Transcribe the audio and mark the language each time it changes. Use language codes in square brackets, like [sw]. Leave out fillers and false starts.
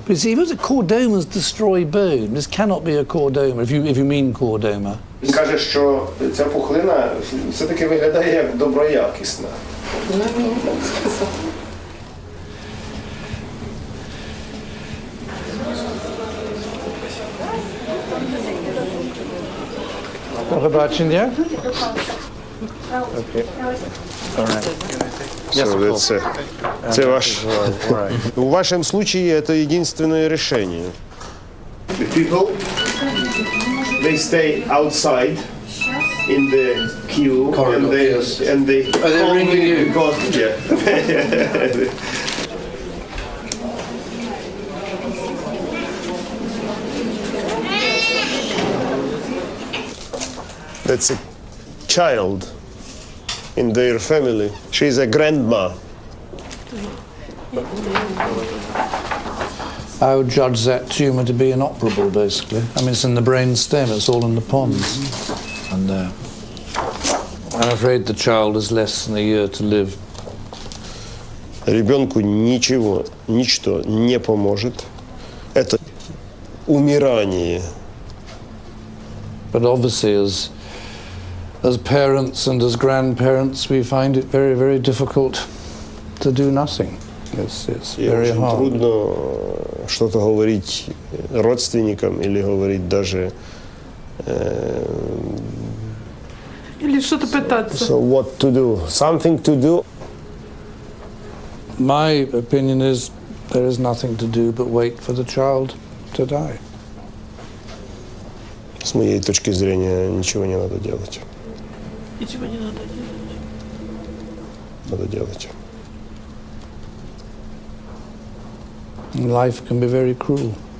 [en] But see, if it was a chordomas destroy bone, this cannot be a chordoma, if you mean chordoma. [uk] Він каже, що ця пухлина все-таки виглядає як доброякісна. Побачення. Це ваш. У вашому случаї це єдине рішення. [en] The people, they stay outside in the queue corridor, and they yes. and they are they ringing you? Because, yeah. That's a child in their family. She's a grandma. I would judge that tumor to be inoperable, basically. I mean, it's in the brain stem, it's all in the pons. Mm-hmm. And I'm afraid the child has less than a year to live. [ru] Ребенку ничего, ничто не поможет. Это умирание. [en] But obviously, as parents and as grandparents, we find it very, very difficult to do nothing. It's very hard. [uk] Дуже трудно щось говорити [ru] родственникам или [uk] говорити [ru] даже или [uk] щось питати. [en] So what to do? Something to do? My opinion is there is nothing to do but wait for the child to die. [ru] С моей точки зрения, ничего не надо делать. Ничего не надо делать. Надо делать. [en] Life can be very cruel.